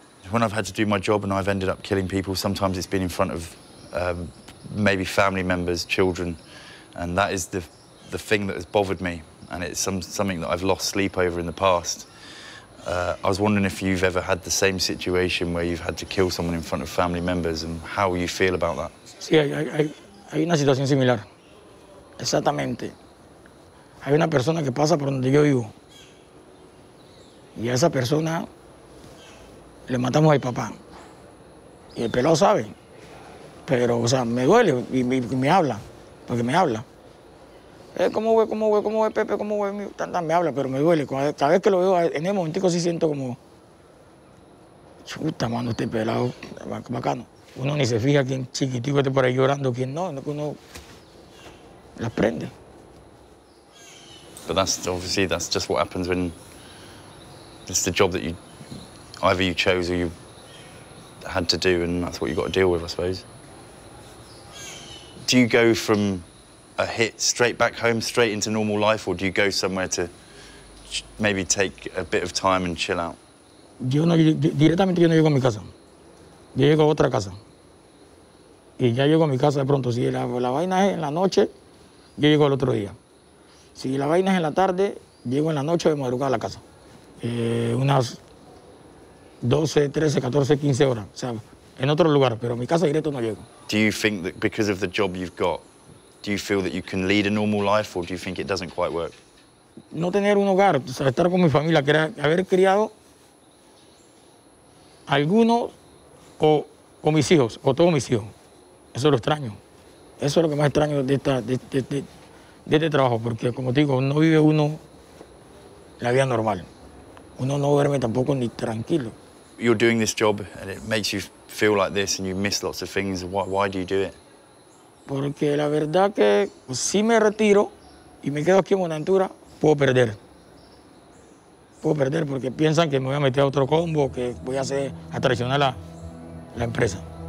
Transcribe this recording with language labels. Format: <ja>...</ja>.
<en>When I've had to do my job and I've ended up killing people, sometimes it's been in front of maybe family members, children, and that is the thing that has bothered me, and it's something that I've lost sleep over in the past. I was wondering if you've ever had the same situation where you've had to kill someone in front of family members and how you feel about that.</en> <es>Sí, hay una situación similar. Exactamente. Hay una persona que pasa por donde yo vivo. Y a esa persona le matamos al papá. Y el pelado sabe. Pero, o sea, me duele y me habla. Porque me habla. ¿Cómo ve, Pepe? ¿Cómo ve? Me habla, pero me duele. Cada vez que lo veo, en ese momentico sí siento como... Chuta, mano, este pelado. Bacano. Uno ni se fija quién chiquitico está por ahí llorando, quién no, sino que uno la prende.</es> <en>But that's obviously that's just what happens when it's the job that you either you chose or you had to do, and that's what you got to deal with, I suppose. Do you go from a hit straight back home, straight into normal life, or do you go somewhere to maybe take a bit of time and chill out?</en> <es>Yo directamente no llego a mi casa. Yo llego a otra casa. Y ya llego a mi casa de pronto. Si la vaina es en la noche, yo llego al otro día. Si la vaina es en la tarde, llego en la noche de madrugada a la casa. Unas 12, 13, 14, 15 horas. O sea, en otro lugar, pero a mi casa directo no llego.</es> <en>Do you think that because of the job you've got, do you feel that you can lead a normal life or do you think it doesn't quite work?</en> <es>No tener un hogar, o sea, estar con mi familia, haber criado algunos o mis hijos, o todos mis hijos. Eso es lo extraño. Eso es lo que más extraño de este trabajo, porque como te digo, no vive uno la vida normal. Uno no duerme tampoco ni tranquilo.</es> <en>You're doing this job and it makes you feel like this and you miss lots of things. Why do you do it?</en> <es>Porque la verdad que pues, si me retiro y me quedo aquí en Buenaventura, puedo perder. Puedo perder porque piensan que me voy a meter a otro combo, que voy a traicionar la empresa.</es>